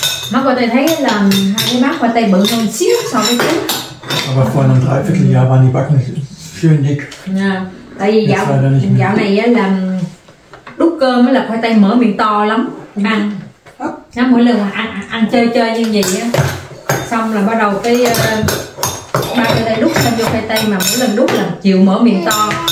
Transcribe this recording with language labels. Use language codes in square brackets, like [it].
[vi] Má có thể thấy là hai má khoai tây bự hơn xíu so với trước. [de] Aber vor einem Dreivierteljahr waren die Backen schön dick. Ja, [vi] tại vì dạo này á là đút cơm mới là khoai tây mở miệng to lắm ăn. Nó mỗi lần mà ăn chơi chơi như vậy á, xong là bắt đầu cái ba khoai tây đút xong vô khoai tây mà mỗi lần đút là chịu mở miệng to.